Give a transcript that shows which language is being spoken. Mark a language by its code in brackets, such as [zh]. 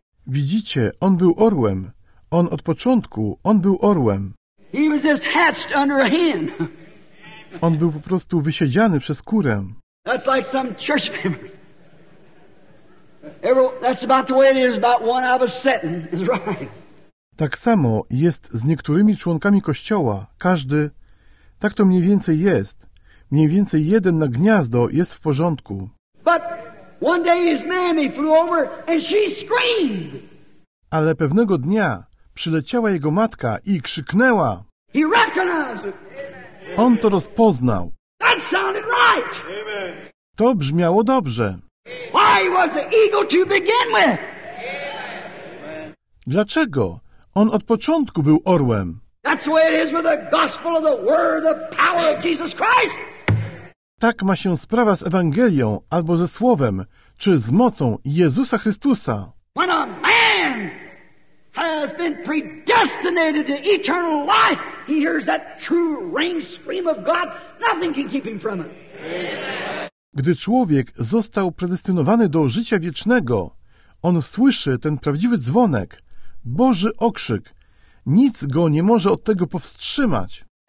[pl] Widzicie, on był orłem. On od początku, on był orłem. [en] He was just hatched under a hen. [pl] On był po prostu wysiedziany przez kurę. [en] That's like some church members. That's about the way it is about one of us sitting. Is right. [pl] Tak samo jest z niektórymi członkami kościoła. Każdy... Tak to mniej więcej jest. Mniej więcej jeden na gniazdo jest w porządku. [en] But one day his mammy flew over and she screamed. [pl] Ale pewnego dnia przyleciała jego matka i krzyknęła. [en] He recognized it. [pl] On to rozpoznał. [en] That sounded right. [pl] To brzmiało dobrze. [en] Why was the eagle to begin with? [pl] Dlaczego? On od początku był orłem. [en] That's the way it is with the gospel of the word, the power of Jesus Christ. [pl] Tak ma się sprawa z Ewangelią albo ze Słowem, czy z mocą Jezusa Chrystusa. [en] When a man has been predestinated to eternal life, he hears that true ring scream of God. Nothing can keep him from it. [pl] Gdy człowiek został predestynowany do życia wiecznego, on słyszy ten prawdziwy dzwonek, Boży okrzyk. Nic go nie może od tego powstrzymać.